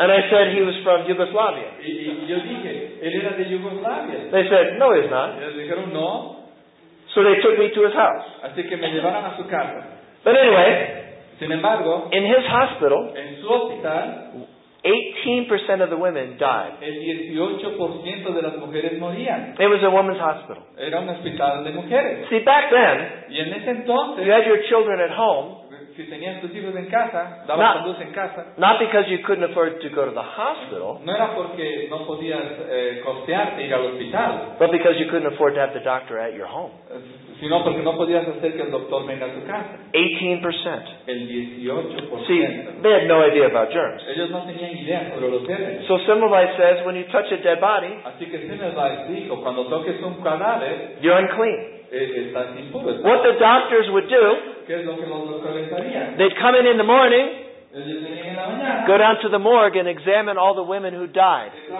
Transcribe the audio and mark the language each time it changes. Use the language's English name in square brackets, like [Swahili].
[English] And I said he was from Yugoslavia. [Spanish] Y yo dije, él era de Yugoslavia. [English] They said, no, he's not. [Spanish] Ellos dijeron, no. [English] So they took me to his house. [Spanish] Así que me llevaron a su casa. [English] But anyway, [Spanish] sin embargo, [English] in his hospital, [Spanish] en su hospital, [English] 18% of the women died. [Spanish] El 18% de las mujeres morían. [English] It was a woman's hospital. [Spanish] Era un hospital de mujeres. [English] See, back then, [Spanish] y en ese entonces, [English] you had your children at home. [Spanish] Si tenías tus hijos en casa, dabas a luz en casa. [English] Not because you couldn't afford to go to the hospital. [Spanish] No era porque no podías costearte ir al hospital. [English] But because you couldn't afford to have the doctor at your home. [Spanish] Sino porque no podías hacer que el doctor venga a tu casa. [English] 18%. [Spanish] El 18%. [English] See, they had no idea about germs. [Spanish] Ellos no tenían idea sobre los germes. [English] So Semmelweis says, when you touch a dead body, [Spanish] así que Semmelweis dijo, cuando toques un cadáver, [English] you're unclean. [Spanish] Estás impuro. [English] What the doctors would do, they'd come in the morning, go down to the morgue and examine all the women who died.